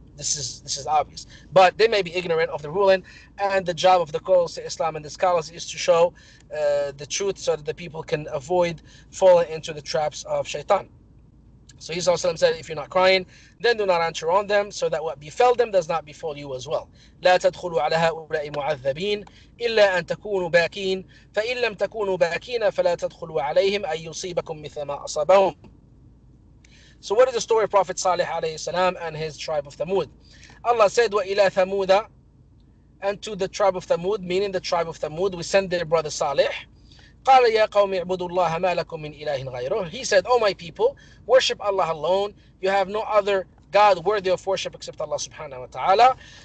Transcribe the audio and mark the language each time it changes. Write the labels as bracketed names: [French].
[English] This is obvious. But they may be ignorant of the ruling, and the job of the Qurans of Islam and the scholars is to show the truth so that the people can avoid falling into the traps of shaitan. So he said, if you're not crying, then do not enter on them, so that what befell them does not befall you as well. [Arabic] لا تدخلوا على هؤلاء معذبين إلا أن تكونوا باكين فإن لم تكونوا باكين فلا تدخلوا عليهم أن يصيبكم مثل ما أصابهم. [English] So what is the story of Prophet Saleh alayhi salam and his tribe of Thamud? Allah said, [Arabic] وَإِلَى ثَمُودَ, [English] and to the tribe of Thamud, meaning the tribe of Thamud, we send their brother Saleh. [Arabic] قَالَ يَا قَوْمِ اعْبُدُوا اللَّهَ مَا لَكُمْ مِنْ إِلَٰهٍ غَيْرُهُ. [English] He said, oh my people, worship Allah alone. You have no other God worthy of worship except Allah subhanahu wa ta'ala.